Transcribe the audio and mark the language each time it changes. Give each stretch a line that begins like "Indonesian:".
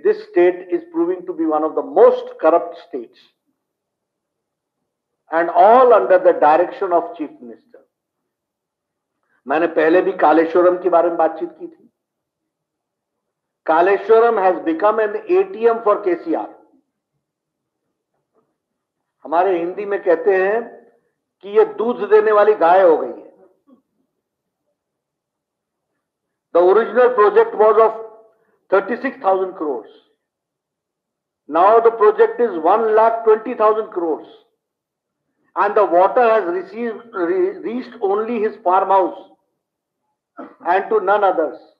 English: state is proving to be one of the most corrupt states, and all under the direction of Chief Minister.
Hindi: मैंने पहले भी कालेश्वरम के बारे में बातचीत की थी.
English: Kaleshwaram has become an ATM for KCR.
Hindi: हमारे हिंदी में कहते हैं कि ये दूध देने वाली गाय हो गई है.
English: The original project was of 36,000 crores. Now the project is 1,20,000 crores. And the water has reached only his farmhouse and to none others.